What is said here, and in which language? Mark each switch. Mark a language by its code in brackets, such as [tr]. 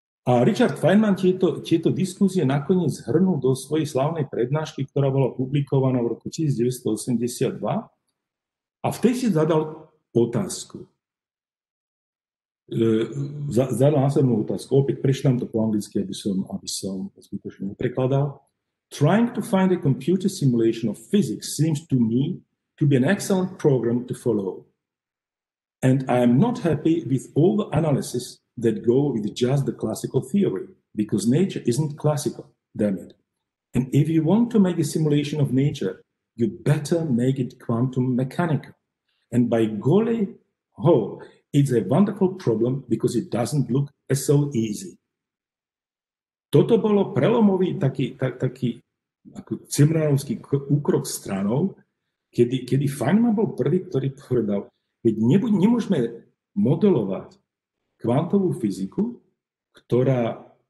[sk] A Richard Feynman tieto diskusie nakoniec zhrnul do svojej slavnej prednášky, ktorá bola publikovaná v roku 1982. A vtedy si zadal otázku. Zadal následnú otázku. Opäť prečítam to po anglicky, aby som zbytočne neprekladal. [en] Trying to find a computer simulation of physics seems to me to be an excellent program to follow. And I am not happy with all the analysis that go with just the classical theory, because nature isn't classical, damn it. And if you want to make a simulation of nature, you better make it quantum mechanical. And by golly ho, it's a wonderful problem because it doesn't look so easy. [sk] Toto bolo prelomový taký ako cimranovský úkrok stranou, kedy Feynman bol prvý, ktorý povedal, keď nemôžeme modelovať kvantovú fyziku, ktorá